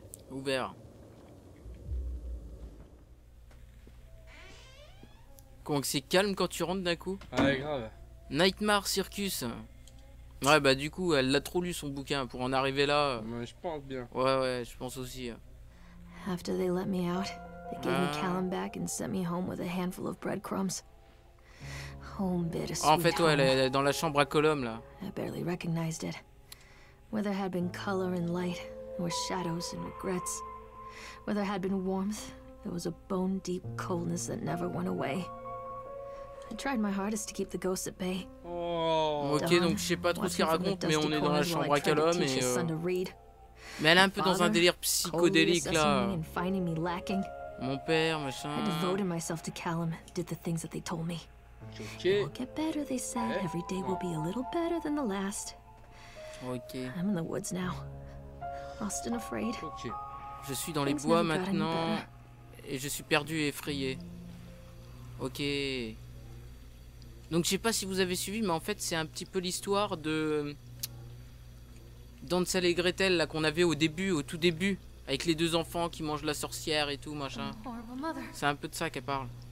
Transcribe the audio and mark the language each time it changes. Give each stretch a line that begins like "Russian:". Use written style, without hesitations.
French: Ouvert. Comment que c'est calme quand tu rentres d'un coup? Ouais, grave.
English: Nightmare Circus.
French: Ouais, bah du coup, elle l'a trop lu son bouquin pour en arriver là. Ouais, je pense bien. Ouais, ouais, je pense aussi.
English: After they let me out, they gave me Callum back and sent me home with a handful of breadcrumbs. Home bit a sweet home.
French: En fait, ouais, elle est dans la chambre à Colum là.
English: I barely recognized it. Where there had been color and light, there were shadows and regrets. Where there had been warmth, there was a bone deep coldness that never went away. I tried my hardest to keep the ghosts at bay. Oh,
French: ok, donc je sais pas trop ce qu'il raconte, mais on est dans la chambre à Callum et mais elle est un peu dans un délire psychodélique là. Mon père, machin.
English: I devoted myself to Callum, did the things that they told me. Ok. Get better, they said. Every day will be a little better than the last. Ok. I'm in the woods now, lost and afraid. Ok.
French: Je suis dans les bois maintenant et je suis perdu et effrayé. Ok. Donc je sais pas si vous avez suivi, mais en fait c'est un petit peu l'histoire de d'Ansel et Gretel là qu'on avait au début, au tout début, avec les deux enfants qui mangent la sorcière et tout machin. C'est un peu de ça qu'elle parle.